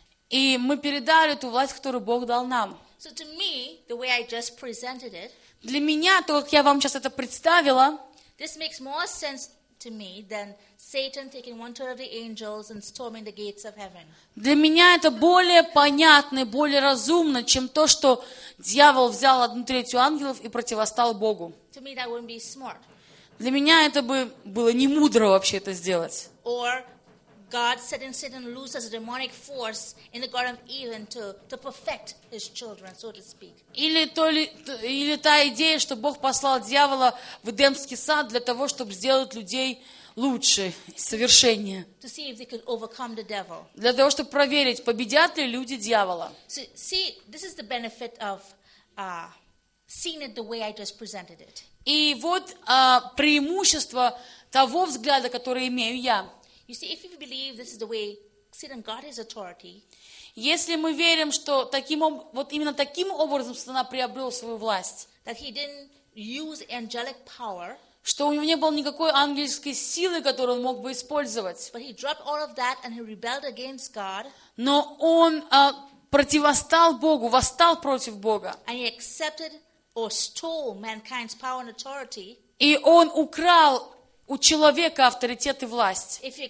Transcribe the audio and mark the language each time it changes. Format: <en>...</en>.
<ru>И мы передали ту власть, которую Бог дал нам.</ru> <en>So to me, the way I just presented it,</en> <ru>для меня, то, как я вам сейчас это представила,</ru> <en>this makes more sense to me than Satan taking one third of the angels and storming the gates of heaven.</en> <ru>Для меня это более понятно и более разумно, чем то, что дьявол взял 1/3 ангелов и противостал Богу.</ru> <en>To me, that wouldn't be smart.</en> <ru>Для меня это бы было не мудро вообще это сделать.</ru> <en>Or God setting Satan loose as a demonic force in the Garden of Eden to perfect His children, so to speak.</en> <ru>Или та идея, что Бог послал дьявола в Эдемский сад для того, чтобы сделать людей лучше, совершеннее.</ru> <en>To see if they could overcome the devil.</en> <ru>Для того, чтобы проверить, победят ли люди дьявола.</ru> <en>See, this is the benefit of seeing it the way I just presented it.</en> <ru>И вот преимущество того взгляда, который имею я.</ru> <en>You see, if you believe this is the way Satan got his authority,</en> <ru>если мы верим, что таким вот именно таким образом Сатана приобрел свою власть,</ru> <en>that he didn't use angelic power,</en> <ru>что у него не было никакой ангельской силы, которую он мог бы использовать,</ru> <en>but he dropped all of that and he rebelled against God,</en> <ru>но он противостал Богу, восстал против Бога,</ru> <en>and he accepted or stole mankind's power and authority,</en> <ru>и он украл у человека авторитет и власть.</ru>